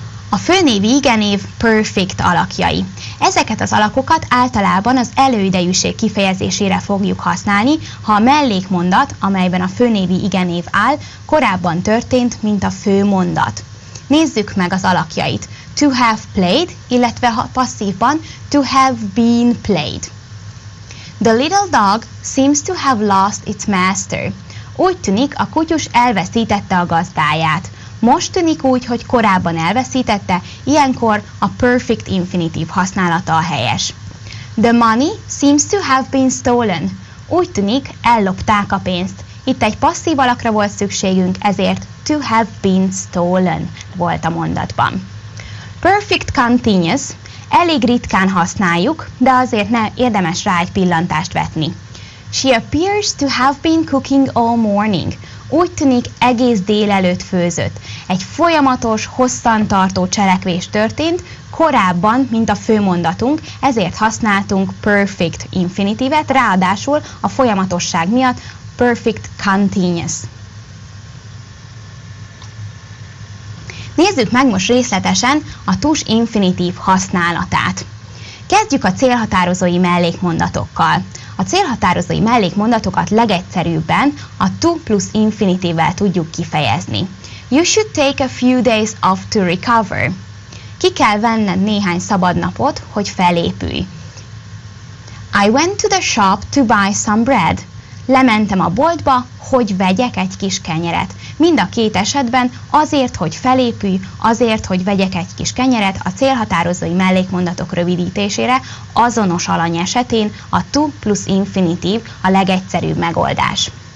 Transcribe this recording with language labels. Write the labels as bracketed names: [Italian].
[Hungarian] A főnévi igenév perfect alakjai. Ezeket az alakokat általában az előidejűség kifejezésére fogjuk használni, ha a mellékmondat, amelyben a főnévi igenév áll, korábban történt, mint a főmondat. Nézzük meg az alakjait. To have played, illetve passzívban to have been played. [English] The little dog seems to have lost its master. [Hungarian] Úgy tűnik, a kutyus elveszítette a gazdáját. Most tűnik úgy, hogy korábban elveszítette, ilyenkor a perfect infinitív használata a helyes. [English] The money seems to have been stolen. [Hungarian] Úgy tűnik, ellopták a pénzt. Itt egy passzív alakra volt szükségünk, ezért to have been stolen volt a mondatban. Perfect continuous. Elég ritkán használjuk, de azért ne érdemes rá egy pillantást vetni. [English] She appears to have been cooking all morning. [Hungarian] Úgy tűnik, egész délelőtt főzött. Egy folyamatos, hosszan tartó cselekvés történt, korábban, mint a főmondatunk, ezért használtunk perfect infinitivet, ráadásul a folyamatosság miatt perfect continuous. Nézzük meg most részletesen a tus infinitív használatát. Kezdjük a célhatározói mellékmondatokkal. A célhatározói mellékmondatokat legegyszerűbben a to plusz infinitivvel tudjuk kifejezni. [English] You should take a few days off to recover. [Hungarian] Ki kell venned néhány szabad napot, hogy felépülj. [English] I went to the shop to buy some bread. [Hungarian] Lementem a boltba, hogy vegyek egy kis kenyeret. Mind a két esetben azért, hogy felépülj, azért, hogy vegyek egy kis kenyeret, a célhatározói mellékmondatok rövidítésére azonos alany esetén a to plusz infinitív a legegyszerűbb megoldás.